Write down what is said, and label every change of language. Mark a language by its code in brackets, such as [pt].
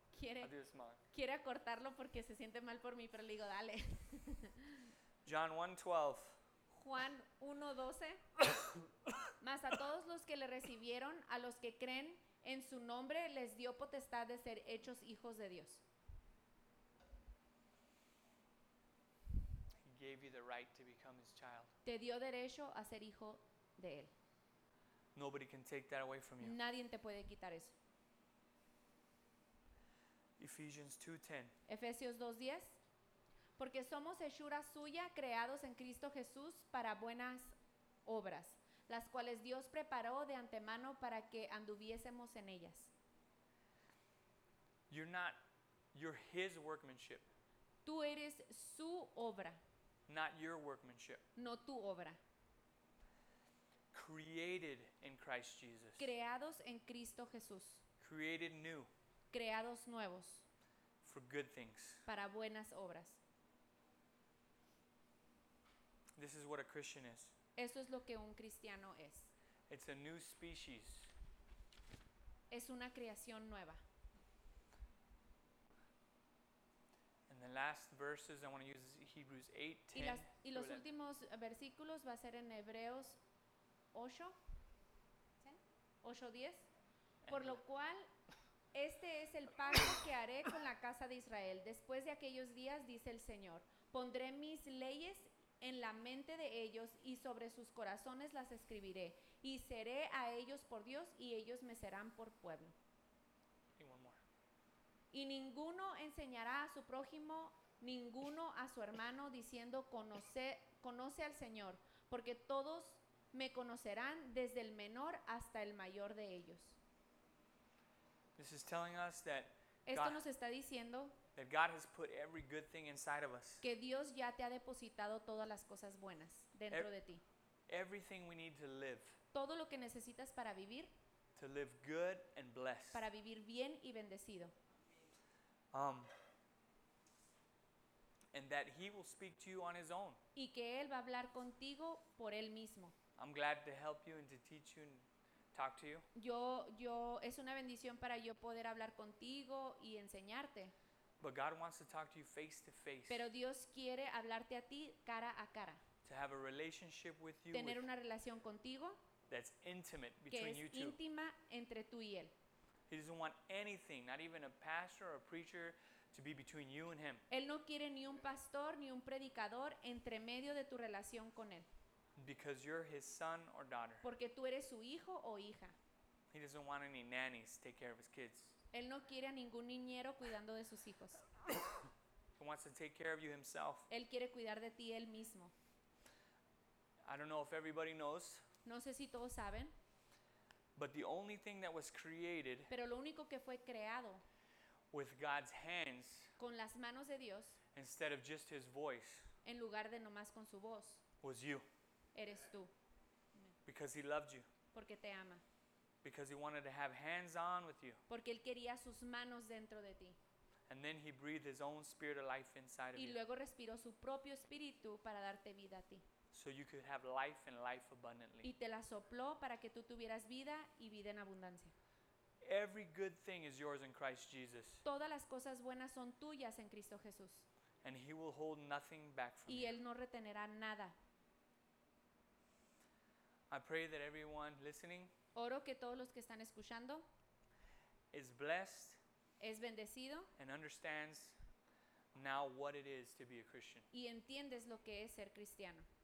[es] Quiere acortarlo porque se siente mal por mí, pero le digo, dale. [en] John 1:12. [es] Juan 1:12. Mas a todos los que le recibieron, a los que creen en su nombre, les dio potestad de ser hechos hijos de Dios. [en] He gave you the right to become his child. [es] Te dio derecho a ser hijo de él. [en] Nobody can take that away from you. [es] Nadie te puede quitar eso. [en] Ephesians 2:10. [es] Efesios 2:10. Porque somos hechura suya, creados en Cristo Jesús para buenas obras, las cuales Dios preparó de antemano para que anduviésemos en ellas. [en] You're his workmanship. [es] Tú eres su obra. [en] Not your workmanship. [es] No tu obra. [en] Created in Christ Jesus. [es] Creados en Cristo Jesús. [en] Created new. [es] Creados nuevos. [en] for good things. [es] Para buenas obras. [en] This is what a Christian is. [es] Eso es lo que un cristiano es. [en] It's a new species. [es] Es una creación nueva. [en] And the last verses I want to use is Hebrews 8:10. [es] Y los últimos versículos va a ser en Hebreos 8:10. Por lo cual, este es el pacto que haré con la casa de Israel. Después de aquellos días, dice el Señor, pondré mis leyes en la mente de ellos y sobre sus corazones las escribiré. Y seré a ellos por Dios y ellos me serán por pueblo. Y ninguno enseñará a su prójimo, ninguno a su hermano, diciendo, conoce al Señor, porque todos me conocerán desde el menor hasta el mayor de ellos. [en] This is telling us that [es] esto nos está diciendo [en] that God has put every good thing inside of us. [es] Que Dios ya te ha depositado todas las cosas buenas dentro de ti. [en] Everything we need to live. [es] Todo lo que necesitas para vivir. [en] To live good and blessed. [es] Para vivir bien y bendecido. [en] And that he will speak to you on his own. [es] Y que él va a hablar contigo por él mismo. [en] I'm glad to help you and to teach you and talk to you. [es] Yo es una bendición para yo poder hablar contigo y enseñarte. [en] But God wants to talk to you face to face. [es] Pero Dios quiere hablarte a ti cara a cara. [en] To have a relationship with you. [es] Tener una relación contigo. [en] That's intimate between you two. [es] Que es íntima entre tú y él. [en] He doesn't want anything, not even a pastor or a preacher, to be between you and him. [es] Él no quiere ni un pastor ni un predicador entre medio de tu relación con él. [en] Because you're his son or daughter. [es] Porque tú eres su hijo o hija. [en] He doesn't want any nannies to take care of his kids. [es] Él no quiere a ningún niñero cuidando de sus hijos. [en] He wants to take care of you himself. [es] Él quiere cuidar de ti él mismo. [en] I don't know if everybody knows. [es] No sé si todos saben. [en] But the only thing that was created. [es] Pero lo único que fue creado. [en] With God's hands. [es] Con las manos de Dios. [en] Instead of just his voice. [es] En lugar de nomás con su voz. [en] Was you. [es] Eres tú. [en] Because he loved you. [es] Porque te ama. [en] Because he wanted to have hands on with you. [es] Porque él quería sus manos dentro de ti. [en] And then he breathed his own spirit of life inside of you. [es] Y luego respiró su propio espíritu para darte vida a ti. [en] So you could have life and life abundantly. [es] Y te la sopló para que tú tuvieras vida y vida en abundancia. [en] Every good thing is yours in Christ Jesus. [es] Todas las cosas buenas son tuyas en Cristo Jesús. [en] And he will hold nothing back from [es] you. Y él no retenerá nada. [en] I pray that everyone listening. [es] Oro que todos los que están escuchando [en] is blessed, [es] es bendecido, [en] and understands now what it is to be a Christian. [es] Y entiendes lo que es ser cristiano.